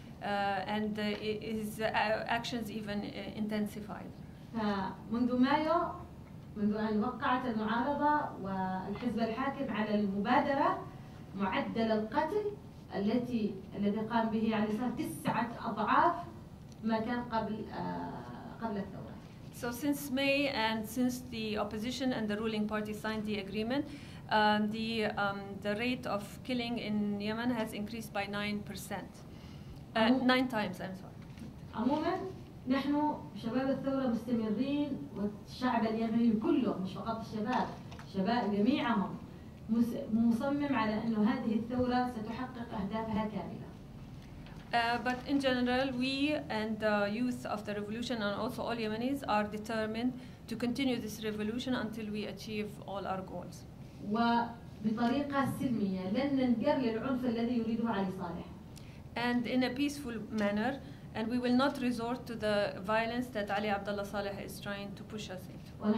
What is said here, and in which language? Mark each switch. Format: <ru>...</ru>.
<en>And his actions even intensified.</en> <ar>منذ مايو منذ أن وقعت المعارضة والحزب الحاكم على المبادرة معدل القتل الذي قام به على صار 9 أضعاف ما كان قبل الثورة.</ar> <en>So since May and since the opposition and the ruling party signed the agreement, the rate of killing in Yemen has increased by 9%. 9 times, I'm sorry.</en> <ar>عموما نحن شباب الثورة مستمرين والشعب اليمني كله مش فقط الشباب جميعهم مصمم على أنه هذه الثورة ستحقق أهدافها كاملة.</ar> <en>But in general, we and the youth of the revolution and also all Yemenis are determined to continue this revolution until we achieve all our goals.</en> <ar>وبطريقة سلمية لن ننجر للعنف الذي يريده علي صالح.</ar> <en>And in a peaceful manner, and we will not resort to the violence that Ali Abdullah Saleh is trying to push us into.</en>